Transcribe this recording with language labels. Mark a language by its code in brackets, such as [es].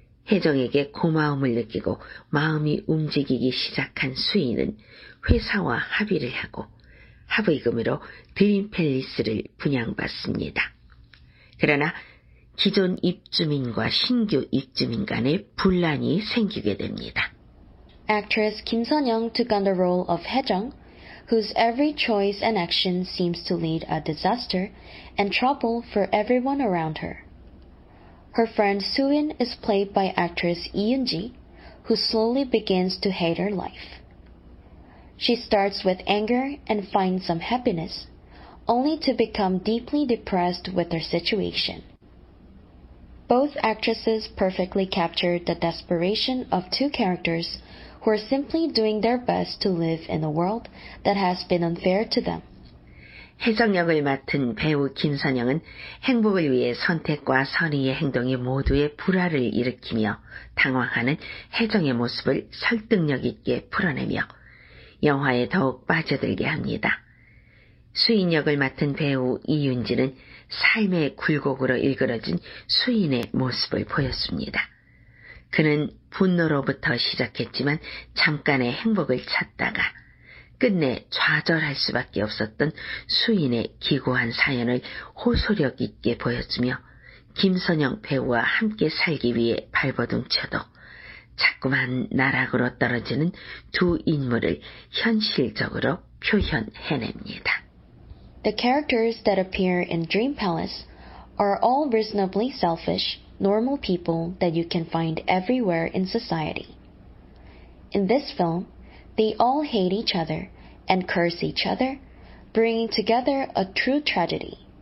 [ko] 혜정에게 고마움을 느끼고 마음이 움직이기 시작한 수인은 회사와 합의를 하고 합의금으로 드림팰리스를 분양받습니다. 그러나 기존 입주민과 신규 입주민 간에 분란이 생기게 됩니다. [en] Actress Kim Sun-young took on the role of Hye-jung, whose every choice and action seems to lead a disaster and trouble for everyone around her. Her friend Soo-in is played by actress Lee Eun-ji, who slowly begins to hate her life. She starts with anger and finds some happiness, only to become deeply depressed with her situation. Both actresses perfectly capture the desperation of two characters who are simply doing their best to live in a world that has been unfair to them. [ko] 혜정 역을 맡은 배우 김선영은 행복을 위해 선택과 선의의 행동이 모두의 불화를 일으키며 당황하는 혜정의 모습을 설득력 있게 풀어내며 영화에 더욱 빠져들게 합니다. 수인 역을 맡은 배우 이윤지는 삶의 굴곡으로 일그러진 수인의 모습을 보였습니다. 그는 분노로부터 시작했지만 잠깐의 행복을 찾다가 끝내 좌절할 수밖에 없었던 수인의 기고한 사연을 호소력 있게 보여주며 김선영 배우와 함께 살기 위해 발버둥쳐도 자꾸만 나락으로 떨어지는 두 인물을 현실적으로 표현해냅니다. [en] The characters that appear in Dream Palace are all reasonably selfish, normal people that you can find everywhere in society. In this film, they all hate each other and curse each other, bringing together a true tragedy.